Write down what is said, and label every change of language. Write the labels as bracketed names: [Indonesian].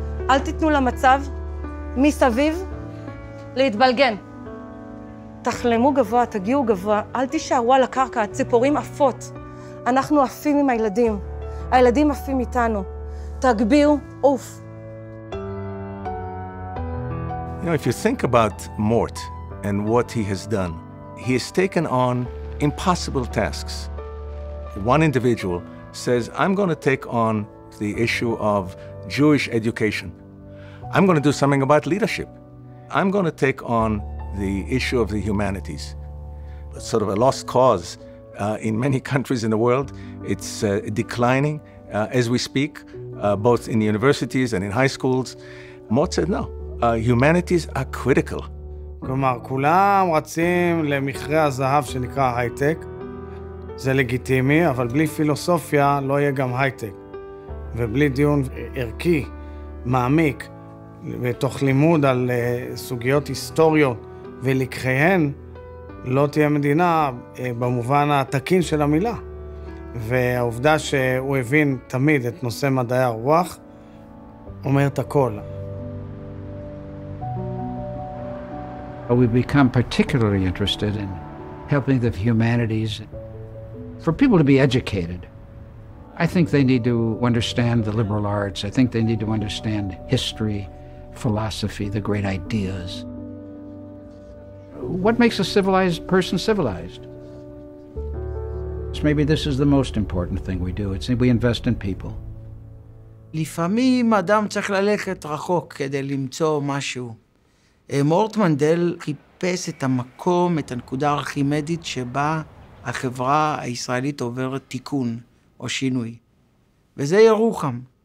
[Hebrew] אל תיתנו למצב מסביב להתבלגן. תחלמו גבוה, תגיעו גבוה, אל תישארו על הקרקע, הציפורים עפות. אנחנו עפים עם הילדים, הילדים עפים איתנו. תגביעו, אוף. [English] You know, if you think about Mort and what he has done, he has taken on impossible tasks. One individual says, I'm going to take on the issue of Jewish education. I'm going to do something about leadership. I'm going to take on the issue of the humanities. It's sort of a lost cause in many countries in the world. It's declining as we speak, both in universities and in high schools. Mort said, no. Humanities are critical. [Hebrew] כלומר, כולם רצים למכרה הזהב שנקרא הייטק. זה לגיטימי, אבל בלי פילוסופיה לא יהיה גם הייטק. ובלי דיון ערכי, מעמיק, בתוך לימוד על סוגיות היסטוריות ולקחיהן, לא תהיה מדינה במובן התקין של המילה. והעובדה שהוא הבין תמיד את נושא מדעי הרוח, אומר את הכל. [English] We've become particularly interested in helping the humanities for people to be educated. I think they need to understand the liberal arts. I think they need to understand history, philosophy, the great ideas. What makes a civilized person civilized? So maybe this is the most important thing we do. It's we invest in people. [Hebrew] לפעמים אדם צריך ללכת רחוק כדי למצוא משהו. מורט מנדל חיפש את המקום, את הנקודה הארכימדית שבה החברה הישראלית עוברת תיקון או שינוי. וזה ירוחם.